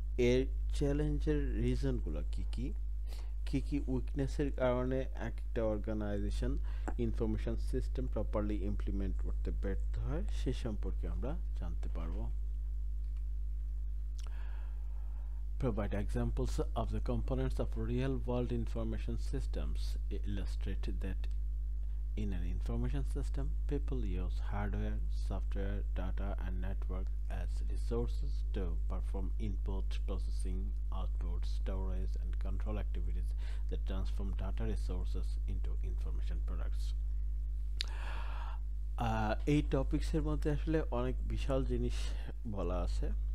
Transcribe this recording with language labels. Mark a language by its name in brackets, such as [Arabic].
[Bangla] এর চ্যালেঞ্জের রিজনগুলো কী কী, কী কী উইকনেসের কারণে একটা organisation information system properly implement করতে ব্যর্থ হয়, সে সম্পর্কে আমরা জানতে পারব। [English] Provide examples of the components of real world information systems illustrate that In an information system, people use hardware, software, data, and network as resources to perform input, processing, output, storage, and control activities that transform data resources into information products. [Bangla] এই টপিক্সের মধ্যে আসলে অনেক বিশাল জিনিস বলা আছে।